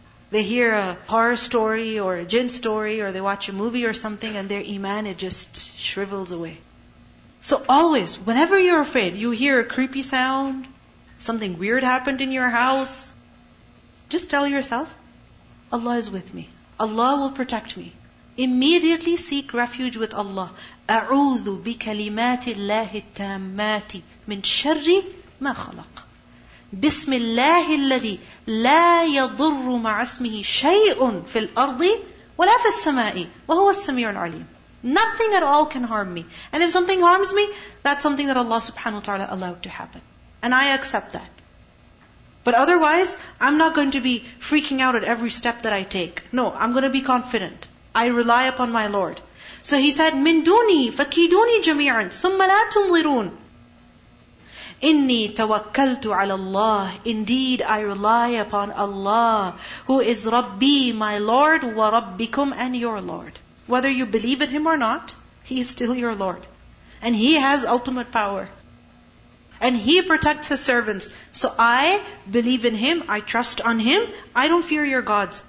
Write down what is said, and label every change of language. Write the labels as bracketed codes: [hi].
[en] They hear a horror story or a jinn story, or they watch a movie or something, and their iman, it just shrivels away. So always, whenever you're afraid, you hear a creepy sound, something weird happened in your house, just tell yourself, Allah is with me. Allah will protect me. Immediately seek refuge with Allah. [ar] أعوذ بكلمات الله التامات من شر ما خلق. بسم الله الذي لا يضر مع اسمه شيء في الأرض ولا في السماء وهو السميع العليم. [en] Nothing at all can harm me. And if something harms me, that's something that Allah subhanahu wa ta'ala allowed to happen. And I accept that. But otherwise, I'm not going to be freaking out at every step that I take. No, I'm going to be confident. I rely upon my Lord. So he said, [ar] مِن دُونِي فَكِيدُونِي جَمِيعًا ثُمَّ لَا تُنظِرُونَ. إِنِّي تَوَكَّلْتُ عَلَى اللَّهِ. [en] Indeed, I rely upon Allah, who is Rabbi, my Lord, وَرَبِّكُمْ, and your Lord. Whether you believe in Him or not, He is still your Lord. And He has ultimate power. And He protects His servants. So I believe in Him, I trust on Him, I don't fear your gods.